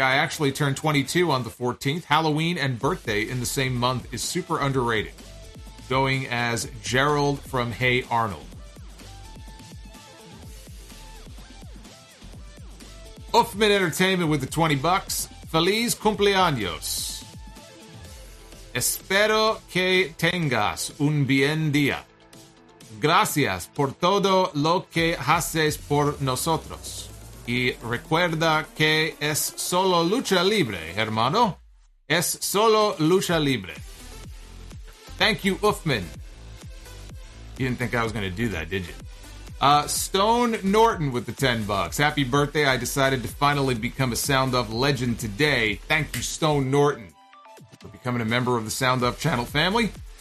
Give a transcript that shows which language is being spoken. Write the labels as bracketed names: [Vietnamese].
[English] I actually turned 22 on the 14th. Halloween and birthday in the same month is super underrated. Going as Gerald from Hey Arnold. Uffman Entertainment with the $20. [Spanish] Feliz cumpleaños. Espero que tengas un bien día. Gracias por todo lo que haces por nosotros. Y recuerda que es solo lucha libre, hermano. Es solo lucha libre. [English] Thank you, Uffman. You didn't think I was going to do that, did you? Stone Norton with the $10. Happy birthday. I decided to finally become a Sound Off legend today. Thank you, Stone Norton, for becoming a member of the Sound Off channel family.